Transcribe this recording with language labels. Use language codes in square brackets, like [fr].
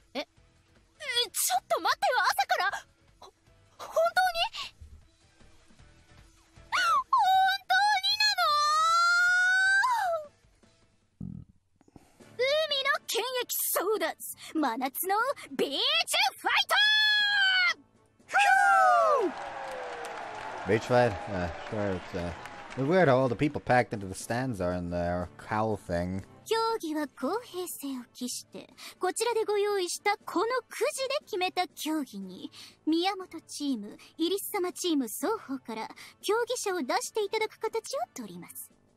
[ja] え、ちょっと待ってよ、朝から本当に本当になの。海の剣液争奪、真夏のビーチファイト。 [en] Beach fight? Sure, it's weird how all the people packed into the stands are in their cowl thing. [ja] 競技は公平性を期して、こちらでご用意したこのくじで決めた競技に、宮本チーム、イリス様チーム双方から競技者を出していただく形をとります。